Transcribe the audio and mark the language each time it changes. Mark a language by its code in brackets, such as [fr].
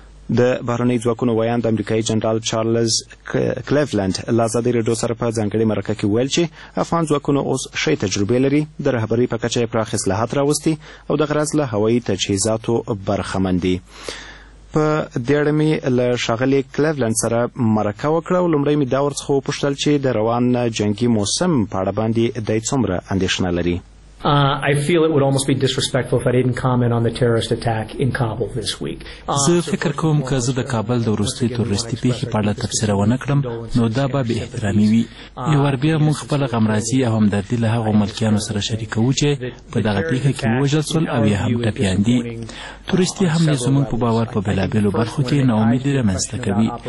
[ps] د بهرنۍ ځواکونو ویاند امریکایي جنرال چارلز کلیولند له ازادي راډیو سره په ځانګړې مرکه کې وویل چې افغان ځواکونه اوس ښې تجربې لري، د رهبرۍ په کچه یې پراخ اصلاحات راوستي او د غرض له هوایي تجهیزاتو برخمن دي. په دې اړه مې له ښاغلي کلیولند سره مرکه وکړه او لومړی مې دا ورڅخه وپوښتل چې د روان جنګي موسم په اړه باندې دی څومره اندېښنه لري. [en] I feel it would almost be disrespectful if I didn't comment on the terrorist attack in Kabul this week. [ps] زه فکر کوم که زه د کابل د وروستي تورستي پیښې په اړه تبصره ونه کړم، نو دا به بې احترامي وي. یو ور بیا موږ خپله غمرازي او همدردي له هغو ملکیانو سره شریکوو چې په دغه پیښه کې ووژل شول او یا هم ټپیان دي. تورستي حملې زموږ په باور په بېلابېلو برخو کې ناامیدي رامنځته کوي.